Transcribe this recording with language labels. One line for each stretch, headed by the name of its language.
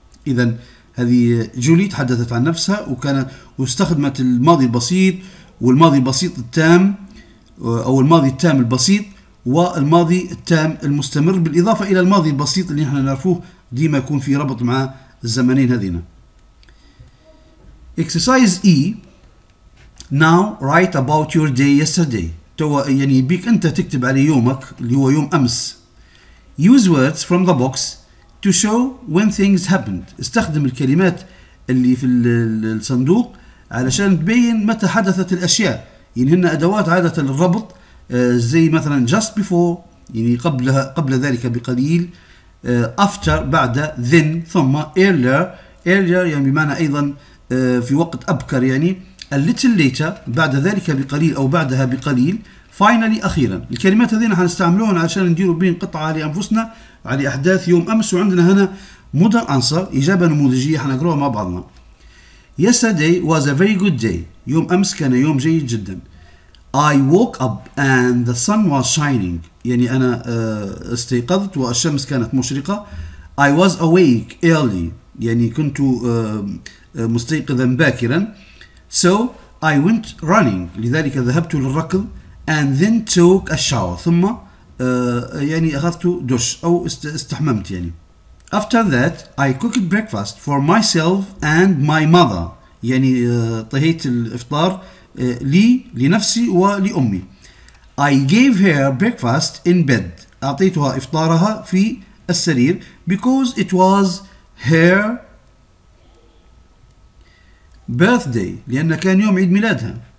Arabic: إذا هذه جولي تحدثت عن نفسها وكانت واستخدمت الماضي البسيط والماضي البسيط التام أو الماضي التام البسيط والماضي التام المستمر بالإضافة إلى الماضي البسيط اللي احنا نعرفوه ديما يكون في ربط مع الزمنين هذين.
English: Exercise E. Now write about your day yesterday.
Arabic: توا يعني بيك أنت تكتب على يومك اللي هو يوم أمس.
English: Use words from the box to show when things happened.
Arabic: استخدم الكلمات اللي في الصندوق علشان تبين متى حدثت الأشياء. يعني هن أدوات عادة للربط زي مثلا
English: just before
Arabic: يعني قبلها قبل ذلك بقليل. After بعد then ثم earlier يعني بمعنى أيضا في وقت أبكر يعني.
English: A little later
Arabic: بعد ذلك بقليل أو بعدها بقليل.
English: Finally أخيرا.
Arabic: الكلمات هذين هنستعملوهن عشان نديروا بين قطعة لأنفسنا على أحداث يوم أمس، وعندنا هنا modern answer إجابة نموذجية هنقروها مع بعضنا.
English: Yesterday was a very good day.
Arabic: يوم أمس كان يوم جيد جدا.
English: I woke up and the sun was shining.
Arabic: يعني أنا استيقظت والشمس كانت مشرقة.
English: I was awake early.
Arabic: يعني كنت مستيقظا باكرا.
English: So I went running.
Arabic: لذلك ذهبت للركض.
English: And then took a shower.
Arabic: ثم يعني أخذت دش أو استحممت يعني.
English: After that I cooked breakfast for myself and my mother.
Arabic: يعني طهيت الإفطار لنفسي ولأمي.
English: I gave her breakfast in bed.
Arabic: أعطيتها إفطارها في السرير.
English: Because it was her birthday،
Arabic: لأن كان يوم عيد ميلادها.